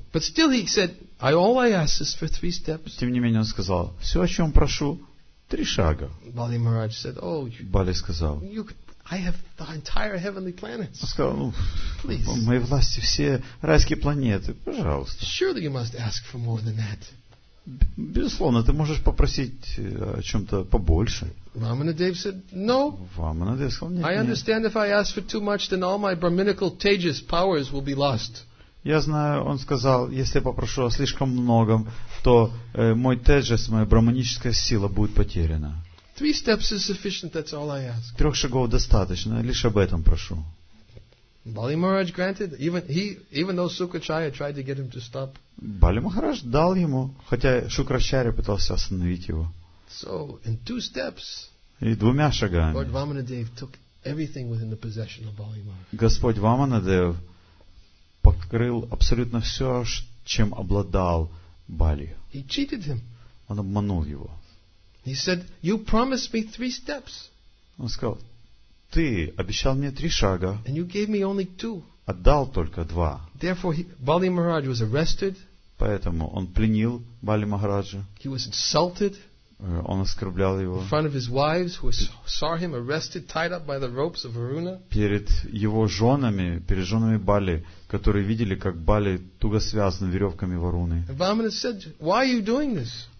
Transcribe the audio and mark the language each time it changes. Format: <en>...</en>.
<en>But still he said, all I ask is for three steps.</en> <ru>Тем не менее он сказал, все, о чем прошу, три шага.</ru> <en>Bali Maharaj said,</en> <ru>Бали сказал,</ru> <en>I have the entire heavenly planets.</en> <ru>Он сказал,</ru> <en>please.</en> <ru>В моей власти все райские планеты, пожалуйста.</ru> <en>Surely you must ask for more than that.</en> <ru>Безусловно, ты можешь попросить о чем-то побольше.</ru> <en>Раманадев said, no.</en> <ru>Раманадев сказал, нет.</ru> <en>I understand if I ask for too much, then all my brahminical tejas powers will be lost.</en> <ru>Я знаю, он сказал, если я попрошу о слишком многом, то мой теджес, моя брахманическая сила будет потеряна.</ru> <en>Three steps is sufficient, that's all I ask.</en> <ru>Трех шагов достаточно, лишь об этом прошу.</ru> <en>Bali Maharaj granted, even though Sukracharya tried to get him to stop.</en> <ru>Bali Maharaj дал ему, хотя Шукрачарья пытался остановить его.</ru> <en>So, in two steps,</en> <ru>и двумя шагами,</ru> <en>Lord Vamanadev took everything within the possession of Bali Maharaj.</en> <ru>Господь Ваманадев покрыл абсолютно все, чем обладал Бали.</ru> <en>He cheated him.</en> <ru>Он обманул его.</ru> <en>He said, "You promised me three steps."</en> <ru>Он сказал, ты обещал мне три шага.</ru> <en>And you gave me only two.</en> <ru>Отдал только два.</ru> <en>Therefore, Bali Maharaj was arrested.</en> <ru>Поэтому он пленил Бали Махараджа.</ru> <en>He was insulted.</en> <ru>Он оскорблял его.</ru> <en>In front of his wives, who saw him arrested, tied up by the ropes of Varuna.</en> <ru>Перед его женами, перед женами Бали, которые видели, как Бали туго связан веревками Варуны.</ru> <en>And Vamana said, "Why are you doing this?"</en>